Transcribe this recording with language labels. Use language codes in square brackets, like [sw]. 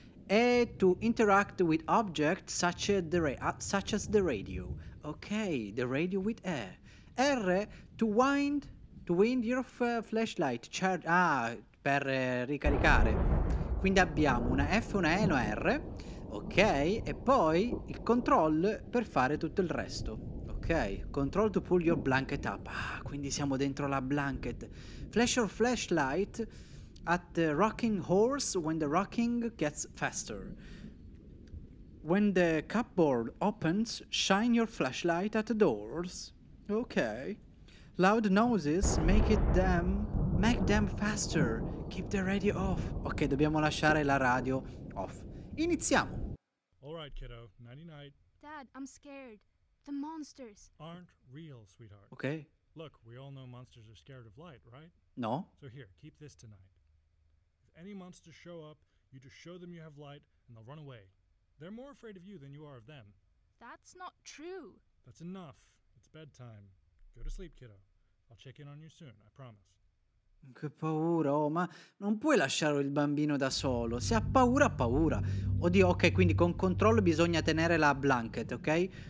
[en] E to interact with objects such as the radio. Ok, the radio with A. R to wind your flashlight. [it] Per ricaricare. Quindi abbiamo una F, una E, una R. Ok, e poi il control per fare tutto il resto. [en] Ok, control to pull your blanket up. [it] Ah, quindi siamo dentro la blanket. [en] Flash your flashlight at the rocking horse when the rocking gets faster. When the cupboard opens, shine your flashlight at the doors. Ok. Loud noises make them faster. Keep the radio off. [it] Ok, dobbiamo lasciare la radio off. Iniziamo. [en] All right, kiddo. Nighty night. Dad, I'm scared. The monsters aren't real, sweetheart. Okay. Look, we all know monsters are scared of light, right? No. So here, keep this tonight. If any monsters show up, you just show them you have light and they'll run away. They're more afraid of you than you are of them. That's not true. That's enough. It's bedtime. Go to sleep, kiddo. I'll check in on you soon, I promise. [it] Che paura, oh, ma non puoi lasciare il bambino da solo. Se ha paura, ha paura. Oddio, ok, quindi con controllo bisogna tenere la blanket, ok?